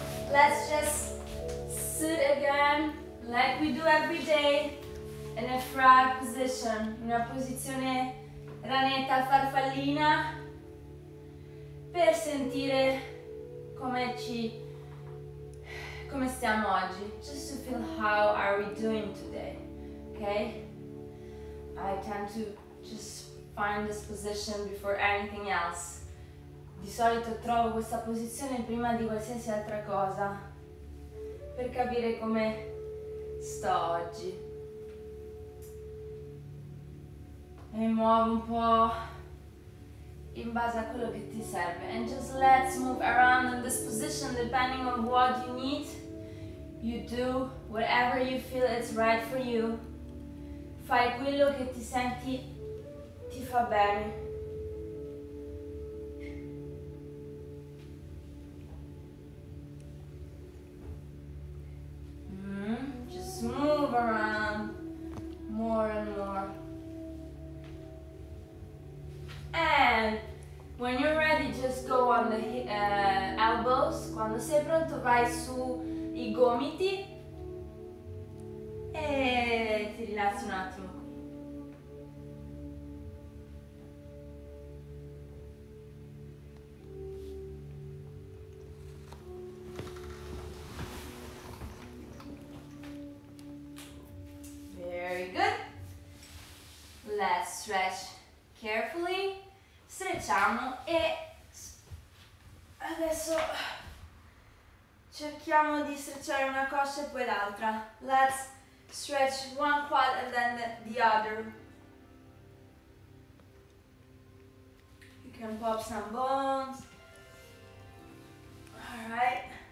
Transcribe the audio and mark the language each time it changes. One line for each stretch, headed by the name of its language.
English: Let's just sit again like we do every day. In a frog position,
Italian: in una posizione ranetta farfallina, per sentire come stiamo oggi.
English: Just to feel how are we doing today, okay? I tend to just find this position before anything else.
Italian: Di solito trovo questa posizione prima di qualsiasi altra cosa, per capire come sto oggi. E muovo un po' in base a quello che ti serve.
English: And just let's move around in this position depending on what you need. You do whatever you feel is right for you.
Italian: Fai quello che ti senti ti fa bene.
English: Just move around more and more. And when you're ready, just go on the elbows.
Italian: Quando sei pronto, vai su I gomiti e ti rilassi un attimo.
English: Very good. Let's stretch carefully.
Italian: Strecciamo e adesso cerchiamo di strecciare una coscia e poi l'altra.
English: Let's stretch one quad and then the other. You can pop some bones. Alright.